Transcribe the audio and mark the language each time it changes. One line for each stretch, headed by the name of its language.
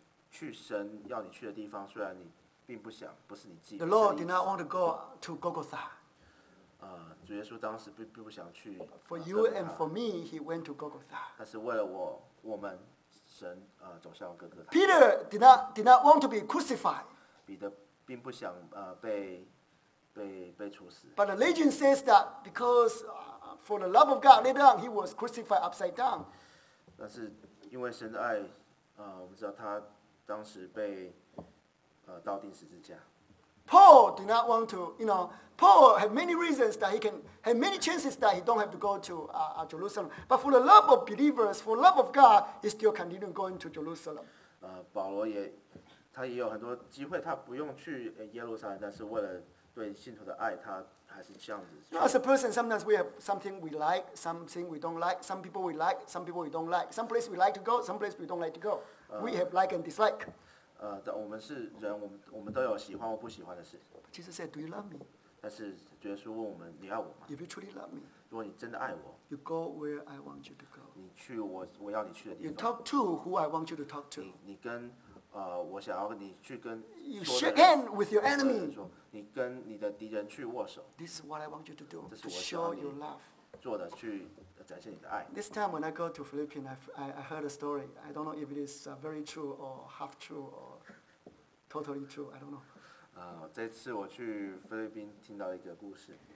Chinese: 去神要你去的地方，虽然你并不想，不是你自己。
English: The Lord did not want to go to Golgotha.
Chinese: 主耶稣当时并不想去。
English: For you and for me, he went to Golgotha.
Chinese: 但是为了我们神走向哥哥他。
English: Peter did not want to be crucified.
Chinese: 彼得并不想被处死。
English: But the legend says that because for the love of God, later on he was crucified upside down.
Chinese: 但是因为神的爱，我们知道他当时被倒钉十字架。
English: Paul did not want to, you know, Paul had many reasons that he can have many chances that he don't have to go to Jerusalem. But for the love of believers, for love of God, he still continued going to Jerusalem.
Chinese: 保罗也他也有很多机会，他不用去耶路撒冷，但是为了对信徒的爱，他还是这样子。
English: You know, as a person, sometimes we have something we like, something we don't like. Some people we like, some people we don't like. Some place we like to go, some place we don't like to go. We have like and dislike.
Chinese: 我们是人，我们都有喜欢或不喜欢的事。
English: Jesus said, "Do you love me?"
Chinese: 但是耶稣问我们，你爱我吗
English: ？If you truly love me,
Chinese: 如果你真的爱我
English: ，you go where I want you to go.
Chinese: 你去我要你去的地方。
English: You talk to who I want you to talk to.
Chinese: 你跟我想要你去跟
English: you shake hand with your enemy.
Chinese: 说你跟你的敌人去握手。
English: This is what I want you to do.
Chinese: 这是我
English: show your love.
Chinese: 做的去。
English: This time when I go to Philippines, I heard a story. I don't know if it is very true or half true or totally true. I don't know.
Chinese: 这次我去菲律宾听到一个故事。